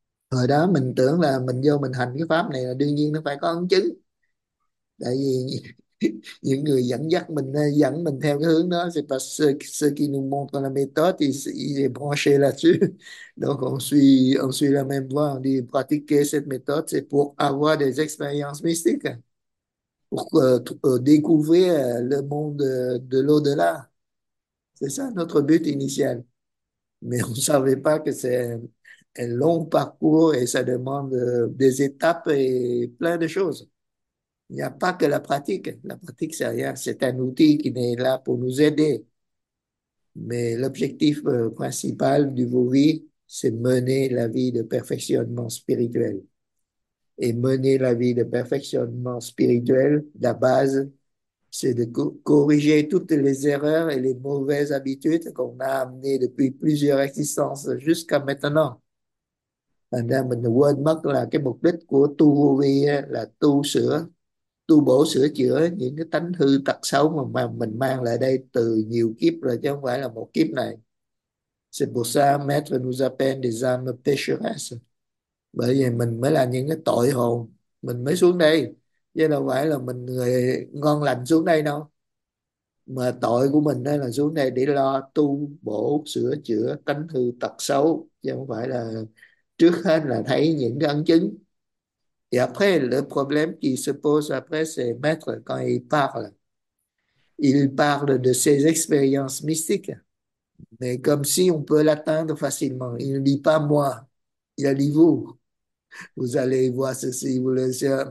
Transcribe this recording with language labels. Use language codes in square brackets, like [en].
[vi] Hồi đó mình tưởng là mình vô mình hành cái pháp này là đương nhiên nó phải có ấn chứng, tại vì những người dẫn dắt mình, dẫn mình theo cái hướng đó, [fr] c'est parce que ceux qui nous montrent la méthode, ils sont branchés là-dessus. Donc on suit la même voie, on dit pratiquer cette méthode, c'est pour avoir des expériences mystiques, pour découvrir le monde de l'au-delà. C'est ça notre but initial. Mais on ne savait pas que c'est un long parcours et ça demande des étapes et plein de choses. Il n'y a pas que la pratique. La pratique, c'est rien. C'est un outil qui est là pour nous aider. Mais l'objectif principal du Vouvi, c'est mener la vie de perfectionnement spirituel. Et mener la vie de perfectionnement spirituel, la base, c'est de co corriger toutes les erreurs et les mauvaises habitudes qu'on a amenées depuis plusieurs existences jusqu'à maintenant. [vi] Thành ra mình quên mất là cái mục đích của tu vô vi là tu bổ sửa chữa những cái tánh hư tật xấu mà mình mang lại đây từ nhiều kiếp rồi, chứ không phải là một kiếp này. [fr] C'est pour ça maître nous appelle des âmes pécheresses. [vi] Bởi vì mình mới là những cái tội hồn, mình mới xuống đây, chứ đâu phải là mình người ngon lành xuống đây đâu. Mà tội của mình đó là xuống đây để lo tu bổ sửa chữa tánh hư tật xấu, chứ không phải là trước hết là thấy những cái ấn chứng. [fr] Et après, le problème qui se pose après, c'est maître quand il parle de ses expériences mystiques, mais comme si on peut l'atteindre facilement. Il ne dit pas moi, il dit vous. Vous allez voir ceci, vous le savez.